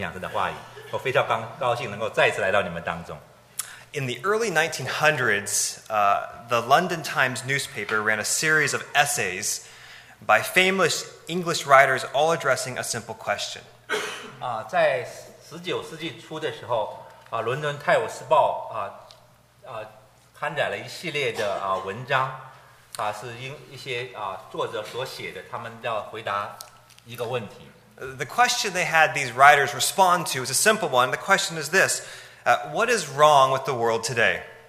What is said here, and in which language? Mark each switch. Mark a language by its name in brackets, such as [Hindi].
[Chinese] 7年之前啊，我有幸啊来到这个教会，和你们一起来分享神的话语，我非常高兴能够再次来到你们当中。 [English] In the early 1900s, the London Times newspaper ran a series of essays by famous English writers all addressing a simple question. [Chinese] 在19世纪初的时候，伦敦《泰晤士报》刊载了一系列的文章，是一些作者所写的，他们要回答一个问题。 [English] The question they had these writers respond to is a simple one. The question is this. What is wrong with the world today?